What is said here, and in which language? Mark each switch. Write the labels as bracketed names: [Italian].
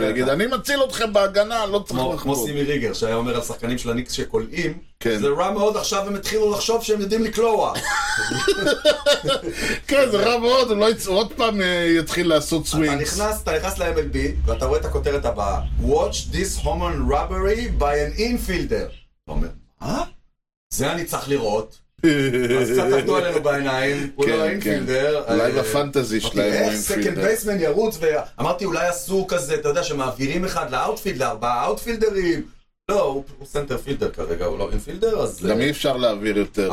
[Hebrew] הוא יגיד, אני מציל אתכם בהגנה, לא צריך לחבוט. כמו סימי ריגר, שהיה אומר על שחקנים של הניקס שקולעים, כן. זה רע מאוד, עכשיו הם התחילו לחשוב שהם יודעים לקלוע. כן, זה רע מאוד, הוא לא יצא עוד פעם יתחיל לעשות סווינגס. אתה נכנס ל-MLB, ואתה רואה את הכותרת הבאה. [English] Watch this homerun robbery by an infielder. [Hebrew] אתה אומר, מה? זה אני צריך לראות. אז קצת עבדו עלינו בעיניים. הוא לא אינפילדר. אולי בפנטזי שלהם אינפילדר. איך סקנד בייסמן ירוץ? ואמרתי, אולי עשו כזה, אתה יודע, שמעבירים אחד לאוטפילד, לארבעה אוטפילדרים. לא, הוא סנטר פילדר כרגע, הוא לא אינפילדר, אז... גם אי אפשר להעביר יותר.